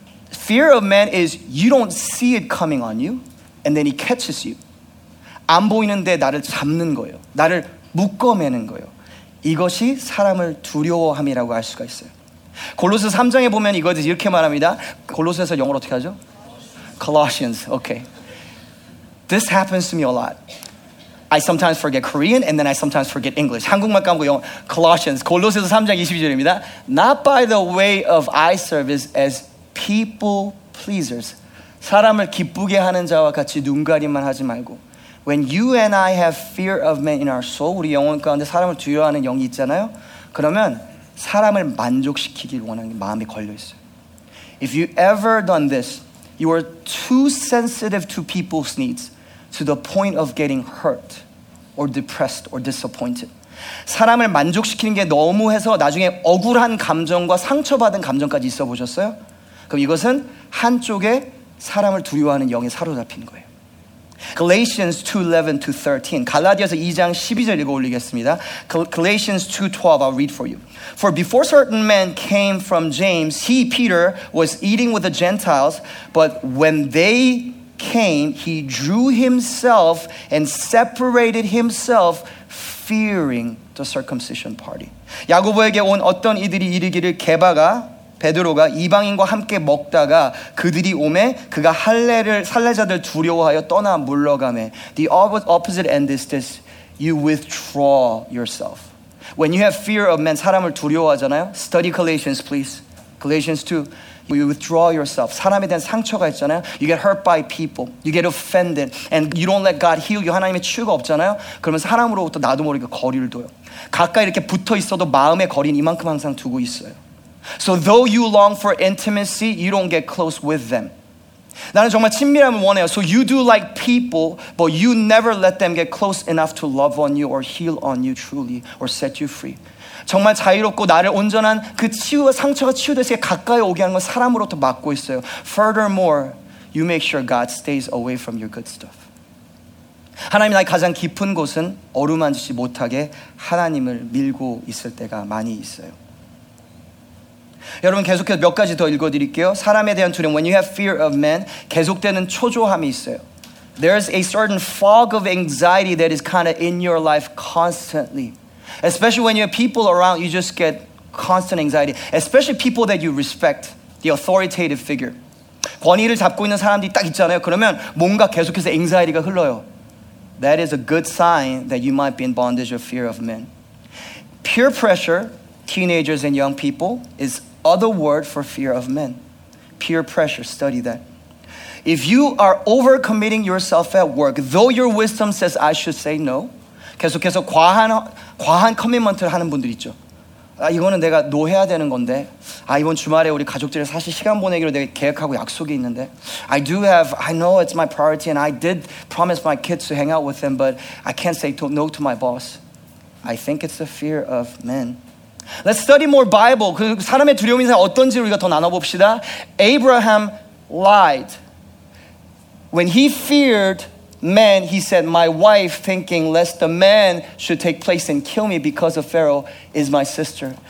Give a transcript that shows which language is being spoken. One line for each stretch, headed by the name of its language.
English: Fear of man is you don't see it coming on you and then he catches you.
Korean: 안 보이는데 나를 잡는 거예요. 나를 묶어매는 거예요. 이것이 사람을 두려워함이라고 할 수가 있어요. 골로새 3장에 보면 이것을 이렇게 말합니다. 골로새에서 영어로 어떻게 하죠?
English: Colossians. Okay. This happens to me a lot. I sometimes forget Korean and then I sometimes forget English.
Korean: 한국말 까먹고 영어. Colossians. 골로새서 3장 22절입니다.
English: Not by the way of eye service as people pleasers.
Korean: 사람을 기쁘게 하는 자와 같이 눈가림만 하지 말고
English: When you and I have fear of man in our soul,
Korean: 우리 영혼 가운데 사람을 두려워하는 영이 있잖아요. 그러면 사람을 만족시키길 원하는 게 마음이 걸려 있어요.
English: If you ever done this, you are too sensitive to people's needs to the point of getting hurt or depressed or disappointed.
Korean: 사람을 만족시키는 게 너무 해서 나중에 억울한 감정과 상처받은 감정까지 있어 보셨어요? 그럼 이것은 한쪽에 사람을 두려워하는 영에 사로잡힌 거예요.
English: Galatians 2:11 to 13.
Korean: 갈라디아서 2장 12절 읽어 올리겠습니다.
English: Galatians 2:12 I'll read for you. For before certain men came from James, he Peter was eating with the Gentiles, but when they came, he drew himself and separated himself fearing the circumcision party.
Korean: 야고보에게 온 어떤 이들이 이르기를 게바가 베드로가 이방인과 함께 먹다가 그들이 오매 그가 할례자들 두려워하여 떠나 물러가매.
English: The opposite end is this. You withdraw yourself. When you have fear of men,
Korean: 사람을 두려워하잖아요.
English: Study Galatians, please. Galatians 2. You withdraw yourself.
Korean: 사람에 대한 상처가 있잖아요.
English: You get hurt by people. You get offended. And you don't let God heal you.
Korean: 하나님의 치유가 없잖아요. 그러면 사람으로부터 나도 모르게 거리를 둬요. 가까이 이렇게 붙어 있어도 마음의 거리는 이만큼 항상 두고 있어요.
English: So though you long for intimacy, you don't get close with them.
Korean: 나는 정말 친밀함을 원해요.
English: So you do like people, but you never let them get close enough to love on you or heal on you truly or set you free.
Korean: 정말 자유롭고 나를 온전한 그 치유와 상처가 치유되게 가까이 오게 하는 건 사람으로부터 막고 있어요.
English: Furthermore, you make sure God stays away from your good stuff.
Korean: 하나님 나의 가장 깊은 곳은 어루만지지 못하게 하나님을 밀고 있을 때가 많이 있어요. 여러분 계속해서 몇 가지 더 읽어드릴게요. 사람에 대한 두려움,
English: when you have fear of men,
Korean: 계속되는 초조함이 있어요.
English: There's a certain fog of anxiety that is kind of in your life constantly. Especially when you have people around, you just get constant anxiety. Especially people that you respect, the authoritative figure.
Korean: 권위를 잡고 있는 사람들이 딱 있잖아요. 그러면 뭔가 계속해서 anxiety가 흘러요.
English: That is a good sign that you might be in bondage of fear of men. Peer pressure, teenagers and young people, is other word for fear of men. Peer pressure, study that. If you are overcommitting yourself at work, though your wisdom says I should say no,
Korean: 계속해서 과한 커미먼트를 하는 분들 있죠. 아 이거는 내가 노해야 되는 건데 아 이번 주말에 우리 가족들이 사실 시간 보내기로 내가 계획하고 약속이 있는데
English: I do have, I know it's my priority and I did promise my kids to hang out with them but I can't say no to my boss. I think it's the fear of men. Let's study more Bible.
Korean: 그 사람의 두려움이 어떤지 우리가 더 나눠봅시다.
English: Abraham lied. When he feared men, he said, my wife thinking lest the man should take place and kill me because of Pharaoh is my sister.